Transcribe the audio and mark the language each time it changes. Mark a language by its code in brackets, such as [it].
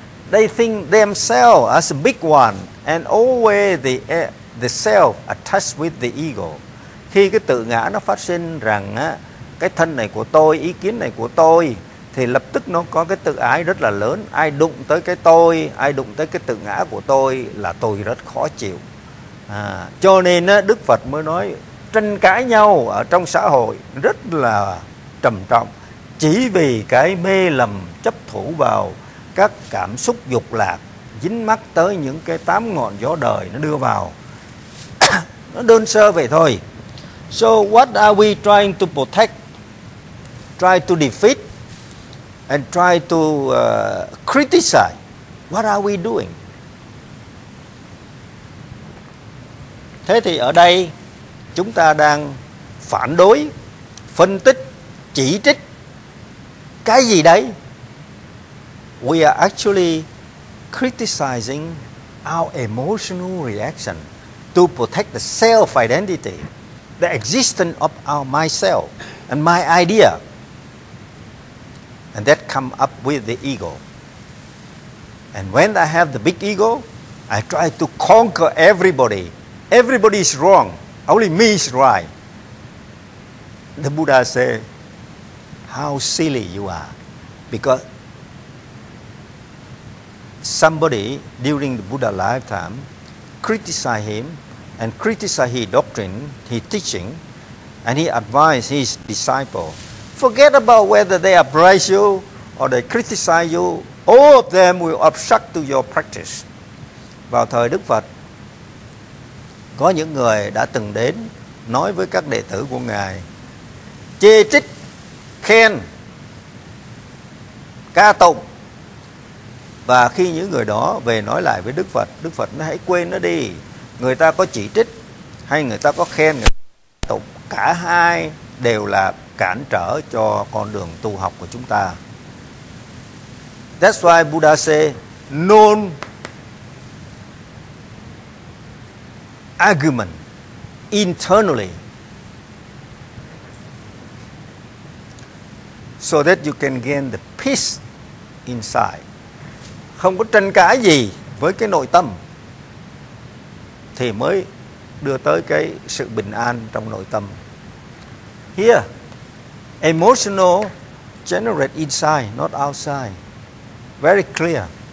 [en] They think themselves as a big one and always the self attached with the ego. [vi] Khi cái tự ngã nó phát sinh rằng cái thân này của tôi, ý kiến này của tôi, thì lập tức nó có cái tự ái rất là lớn. Ai đụng tới cái tôi, ai đụng tới cái tự ngã của tôi là tôi rất khó chịu. Cho nên Đức Phật mới nói tranh cãi nhau ở trong xã hội rất là trầm trọng, chỉ vì cái mê lầm chấp thủ vào các cảm xúc dục lạc, dính mắc tới những cái tám ngọn gió đời nó đưa vào. Nó đơn sơ vậy thôi. [en] So what are we trying to protect, try to defeat, and try to criticize? What are we doing? [vi] Thế thì ở đây chúng ta đang phản đối, phân tích, chỉ trích cái gì đấy? [en] We are actually criticizing our emotional reaction to protect the self-identity, the existence of our myself and my idea. And that come up with the ego. And when I have the big ego, I try to conquer everybody. Everybody is wrong. Only me is right. The Buddha say, how silly you are. Because somebody during the Buddha lifetime criticized him and criticized his doctrine, his teaching, and he advised his disciple. Forget about whether they abrade you or they criticize you. All of them will obstruct to your practice. [vi] Vào thời Đức Phật, có những người đã từng đến nói với các đệ tử của Ngài, chê trích, khen, ca tụng. Và khi những người đó về nói lại với Đức Phật, Đức Phật nói hãy quên nó đi. Người ta có chỉ trích hay người ta có khen, người ta ca tụng, cả hai đều là cản trở cho con đường tu học của chúng ta. [en] That's why Buddha say non argument internally, so that you can gain the peace inside. [vi] Không có tranh cãi gì với cái nội tâm thì mới đưa tới cái sự bình an trong nội tâm. [en] Here, emotional generate inside, not outside. Very clear.